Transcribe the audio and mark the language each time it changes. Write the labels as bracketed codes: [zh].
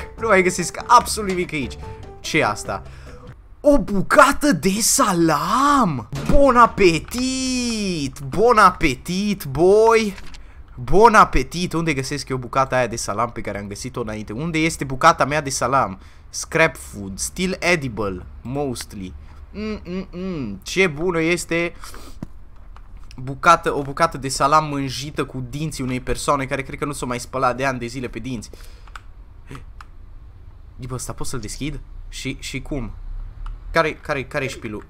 [ro] Nu mai găsesc absolut nimic aici. Ce asta? O bucată de salam! [en] Bon appetit! Bon appetit, boy! Bon appetit! [ro] Unde găsesc eu bucata aia de salam pe care am găsit-o înainte? Unde este bucata mea de salam? [en] Scrap food, still edible, mostly. [ro] Ce bună este o bucată de salam mânjită cu dinții unei persoane care cred că nu s-o mai spăla de ani de zile pe dinți. Bă, ăsta pot să-l deschid? Și cum? Care-i șpilul?